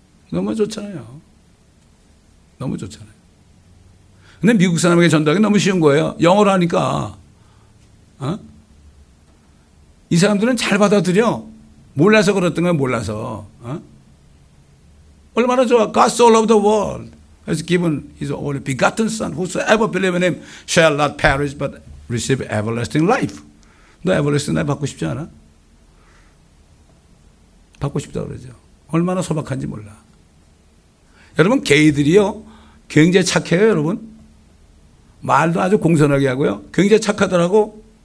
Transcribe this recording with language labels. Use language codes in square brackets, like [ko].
[ko] 너무 좋잖아요. 너무 좋잖아요. 근데 미국 사람에게 전달하기 너무 쉬운 거예요. 영어로 하니까. 어? 이 사람들은 잘 받아들여. 몰라서 그랬던 거예요. 몰라서. 어? 얼마나 좋아. [en] God's all of the world has given his only begotten son. Whosoever believes in him shall not perish but receive everlasting life. [ko] 너 [en] everlasting life [ko] 받고 싶지 않아? 받고 싶다 그러죠. 얼마나 소박한지 몰라. 여러분 게이들이요 굉장히 착해요 여러분. 말도 아주 공손하게 하고요. 굉장히 착하더라고.